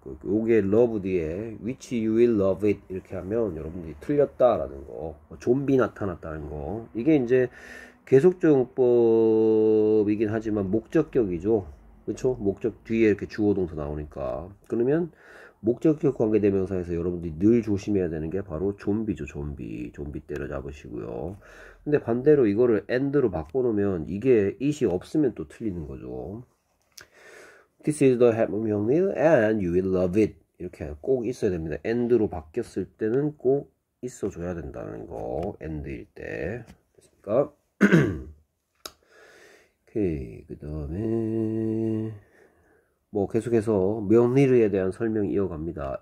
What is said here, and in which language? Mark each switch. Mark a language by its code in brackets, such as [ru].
[ko] 요게 love 뒤에 [en] which you will love it [ko] 이렇게 하면 여러분들이 틀렸다라는 거, 좀비 나타났다는 거, 이게 이제 계속적용법이긴 하지만 목적격이죠. 그쵸? 목적 뒤에 이렇게 주어동사 나오니까. 그러면 목적격 관계대명사에서 여러분들이 늘 조심해야 되는 게 바로 좀비죠. 좀비 때려잡으시고요. 근데 반대로 이거를 end로 바꿔놓으면 이게 it이 없으면 또 틀리는 거죠. [en] This is the hammer, Mjolnir, and you will love it. [ko] 이렇게 꼭 있어야 됩니다. And로 바뀌었을 때는 꼭 있어줘야 된다는 거. And일 때. 됐습니까? 오케이. 그 다음에 뭐 계속해서 묘니르에 대한 설명 이어갑니다.